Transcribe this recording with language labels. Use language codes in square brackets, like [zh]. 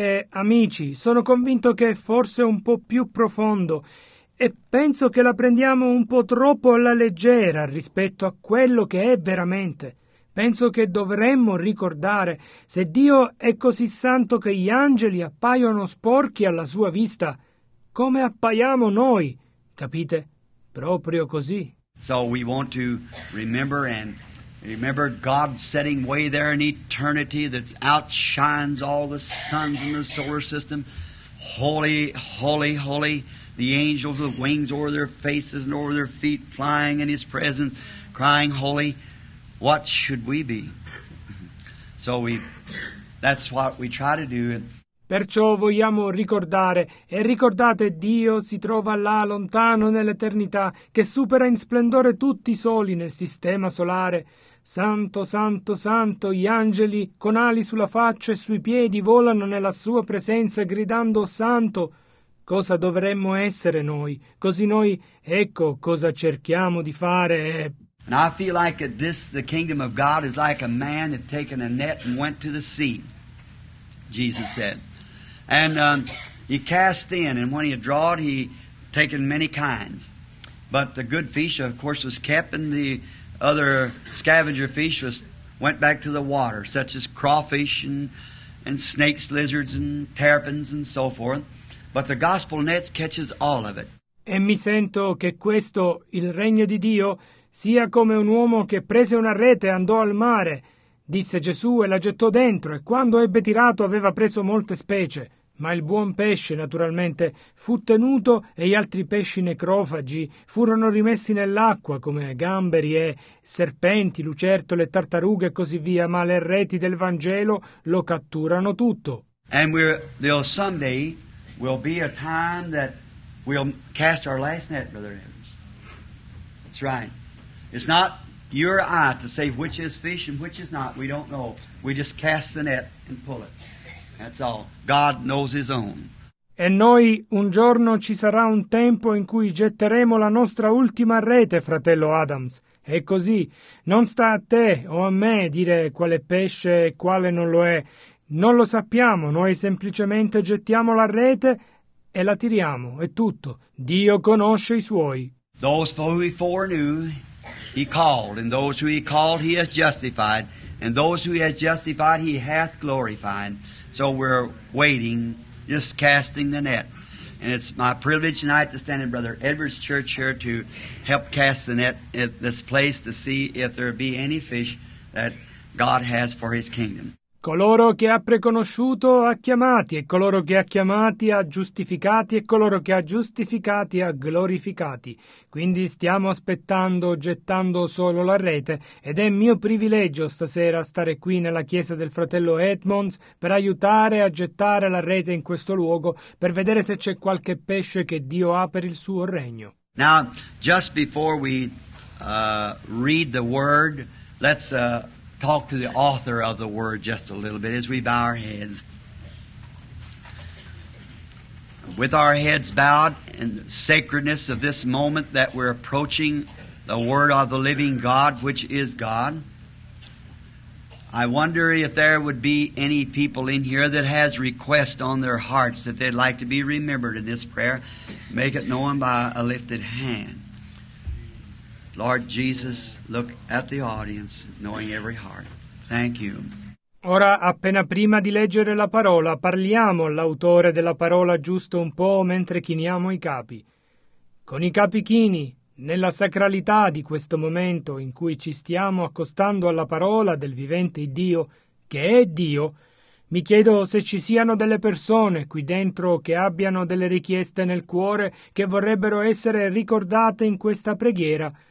[it] Amici, sono convinto che forse un po' più profondo, e penso che la prendiamo un po' troppo alla leggera rispetto a quello che è veramente. Penso che dovremmo ricordare, se Dio è così santo che gli angeli appaiono sporchi alla sua vista, come appaiamo noi, capite? Proprio così. [en] So we want to remember and remember God setting way there in eternity that outshines all the suns in the solar system. Holy, holy, holy, the angels with wings over their faces and over their feet flying in His presence, crying holy. What should we be? So that's what we try to do. [it] Perciò vogliamo ricordare, e ricordate, Dio si trova là lontano nell'eternità, che supera in splendore tutti i soli nel sistema solare. Santo, santo, santo, gli angeli con ali sulla faccia e sui piedi volano nella sua presenza gridando santo. Cosa dovremmo essere noi? Così noi, ecco cosa cerchiamo di fare. [en] And I feel like that this, the kingdom of God, is like a man had taken a net and went to the sea, Jesus said. And he cast in, and when he had drawn, he taken many kinds. But the good fish, of course, was kept, and the other scavenger fish was went back to the water, such as crawfish and snakes, lizards, and terrapins, and so forth. But the gospel nets catches all of it. [it] E mi sento che questo, il regno di Dio, sia come un uomo che prese una rete e andò al mare, disse Gesù, e la gettò dentro, e quando ebbe tirato aveva preso molte specie. Ma il buon pesce, naturalmente, fu tenuto e gli altri pesci necrofagi furono rimessi nell'acqua, come gamberi e serpenti, lucertole, tartarughe e così via, ma le reti del Vangelo lo catturano tutto. [en] And we'll someday will be a time that we'll cast our last net, Brother Evans. That's right. It's not your eye to say which is fish and which is not. We don't know. We just cast the net and pull it. That's all. God knows his own. [it] E noi un giorno ci sarà un tempo in cui getteremo la nostra ultima rete, fratello Adams. E così non sta a te o a me dire quale pesce e quale non lo è. Non lo sappiamo, noi semplicemente gettiamo la rete e la tiriamo, è tutto. Dio conosce i suoi. [en] Those who he foreknew, he called, and those who he called, he has justified, and those who he has justified, he hath glorified. So we're waiting, just casting the net. And it's my privilege tonight to stand in Brother Edwards' church here to help cast the net at this place to see if there be any fish that God has for his kingdom. [it] Coloro che ha preconosciuto ha chiamati, e coloro che ha chiamati ha giustificati, e coloro che ha giustificati ha glorificati. Quindi stiamo aspettando, gettando solo la rete, ed è mio privilegio stasera stare qui nella chiesa del fratello Edmonds per aiutare a gettare la rete in questo luogo, per vedere se c'è qualche pesce che Dio ha per il suo regno. [en] Now, just before we read the word, let's talk to the author of the word just a little bit as we bow our heads. With our heads bowed in the sacredness of this moment that we're approaching the word of the living God, which is God, I wonder if there would be any people in here that has requests on their hearts that they'd like to be remembered in this prayer. Make it known by a lifted hand. Lord Jesus, look at the audience, knowing every heart. Thank you. [it] Ora, appena prima di leggere la parola, parliamo all'autore della parola giusto un po' mentre chiniamo i capi. Con i capi chini, nella sacralità di questo momento in cui ci stiamo accostando alla parola del vivente Dio, che è Dio, mi chiedo se ci siano delle persone qui dentro che abbiano delle richieste nel cuore che vorrebbero essere ricordate in questa preghiera.